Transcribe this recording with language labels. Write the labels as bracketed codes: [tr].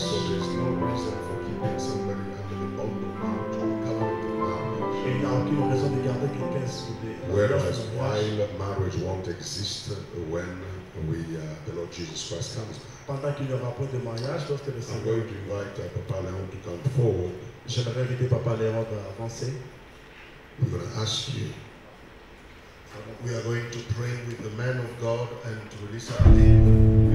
[en] So there's no reason for keeping somebody under the bond of marriage or the color of the marriage. [fr] Il n'y a aucune raison de garder quelqu'un sous des. [en] Whereas while marriage won't exist when the Lord Jesus Christ comes. [fr] Pendant qu'il n'y aura pas de mariage lorsque le Seigneur. [en] I'm going to invite Papa Léon to come forward. [fr] J'aimerais inviter Papa Léon d'avancer. [en] I'm going to ask you. We are going to pray with the man of God and to release our name.